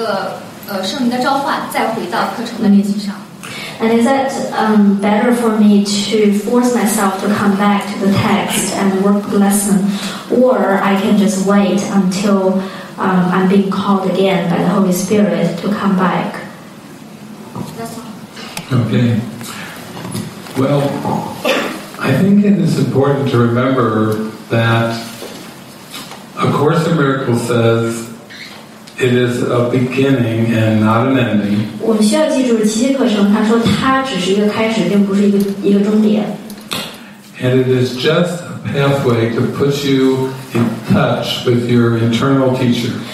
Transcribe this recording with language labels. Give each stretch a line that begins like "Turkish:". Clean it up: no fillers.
Chinese: 其他还有，然后另外我是需不需要强迫自己从现在回到正文和练习手册的正常的练习上，还是继续我现在的状态，然后等待一个合适的时机，等待一个圣灵的召唤，再回到课程的练习上？
English: And is that better for me to force myself to come back to the text and work the lesson, or I can just wait until I'm being called again by the Holy Spirit to come back? Okay. Well, I think it is important to remember that A Course in Miracles says it is a beginning and not an ending.
Chinese: 我们需要记住，奇迹课程它说它只是一个开始，并不是一个终点。
English: And it is just a pathway to put you in touch with your internal teacher.